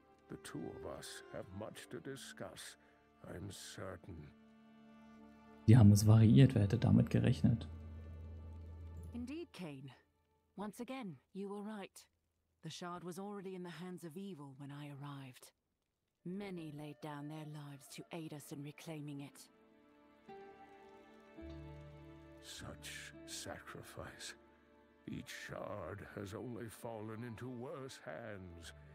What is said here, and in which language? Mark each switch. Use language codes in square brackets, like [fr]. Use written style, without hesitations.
[en] The two of us have much to discuss, I'm certain. [de] Die haben es variiert, wer hätte damit gerechnet? [en] Indeed, Kane. Once again, you were right. The Shard was already in the hands of evil when I arrived. Many laid down their lives to aid us in reclaiming it. Such sacrifice. Each Shard has only fallen into worse hands.